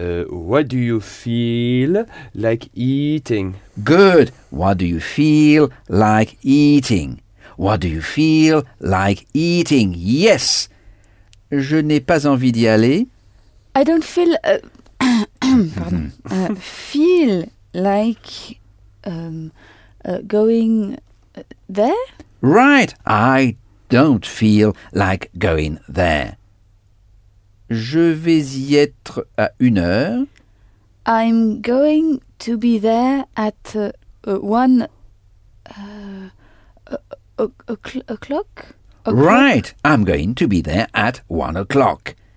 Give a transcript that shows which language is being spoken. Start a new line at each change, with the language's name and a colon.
English: what do you feel like eating? Good. What do you feel like eating? What do you feel like eating?
French: Yes. Je n'ai pas envie d'y aller.
English: I don't feel... pardon. Feel like going there? Right. I don't feel like going there.
French: Je vais y être à une heure.
English: I'm going to be there at one o'clock. Right. I'm going to be there at 1 o'clock.